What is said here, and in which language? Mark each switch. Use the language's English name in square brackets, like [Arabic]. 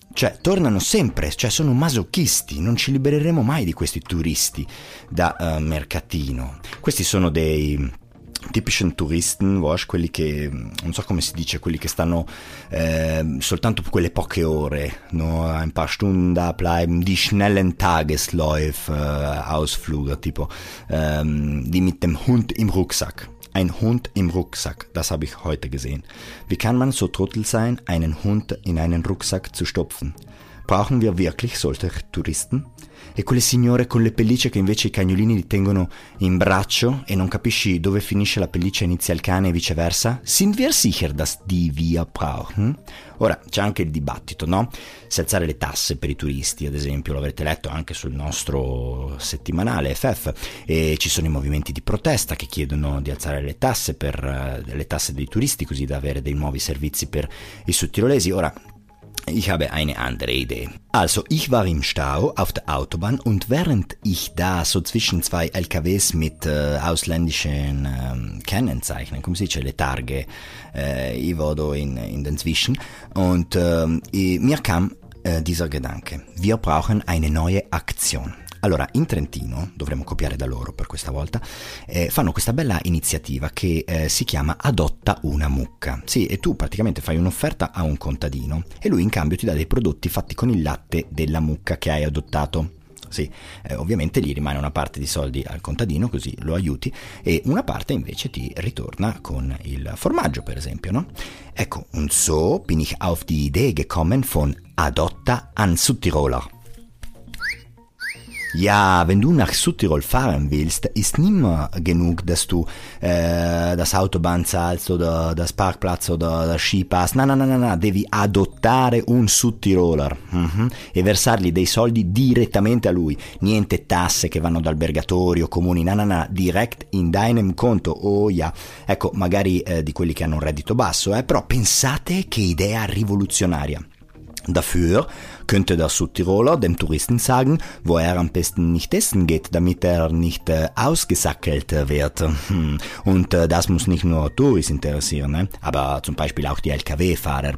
[Italian] Cioè, tornano sempre, cioè sono masochisti, non ci libereremo mai di questi turisti da mercatino. Questi sono dei [German] typischen Touristen, [Italian] quelli che, non so come si dice, quelli che stanno soltanto quelle poche ore, no? [German] Ein paar Stunden bleiben, die schnellen Tagesläufe, Ausflüge, tipo die mit dem Hund im Rucksack. Ein Hund im Rucksack, das habe ich heute gesehen. Wie kann man so trottel sein, einen Hund in einen Rucksack zu stopfen? Brauchen wir wirklich solche Touristen? [Italian] E quelle signore con le pellicce che invece i cagnolini li tengono in braccio e non capisci dove finisce la pelliccia e inizia il cane e viceversa? [German] Sind wir sicher, dass die wir brauchen? [Italian] Ora, c'è anche il dibattito, no? Se alzare le tasse per i turisti, ad esempio, lo avrete letto anche sul nostro settimanale FF, e ci sono i movimenti di protesta che chiedono di alzare le tasse per le tasse dei turisti, così da avere dei nuovi servizi per i sudtirolesi. [German] Ora, ich habe eine andere Idee. Also, ich war im Stau auf der Autobahn und während ich da so zwischen zwei LKWs mit ausländischen Kennzeichen, [Italian] come si dice, le targhe, [German] ich vado in den Zwischen, und mir kam dieser Gedanke. Wir brauchen eine neue Aktion. [Italian] Allora, in Trentino, dovremmo copiare da loro per questa volta, fanno questa bella iniziativa che si chiama Adotta una mucca. Sì, e tu praticamente fai un'offerta a un contadino e lui in cambio ti dà dei prodotti fatti con il latte della mucca che hai adottato. Sì, ovviamente gli rimane una parte di soldi al contadino, così lo aiuti, e una parte invece ti ritorna con il formaggio, per esempio, no? [German] Ecco, und so bin ich auf die Idee gekommen von Adotta an Südtiroler. Ja, wenn du nach Südtirol fahren willst, ist nicht mehr genug, dass du das Autobahn zahlst oder das Parkplatz oder das Skipass. [Italian] Nein, devi adottare un Südtiroler e versargli dei soldi direttamente a lui. Niente tasse che vanno ad albergatori o comuni, nein, direct [German] in deinem [Italian] conto. Oh ja, ecco, magari di quelli che hanno un reddito basso, però pensate che idea rivoluzionaria. [German] Dafür könnte der Südtiroler dem Touristen sagen, wo am besten nicht essen geht, damit nicht ausgesackelt wird. Und das muss nicht nur Touristen interessieren, aber zum Beispiel auch die LKW-Fahrer.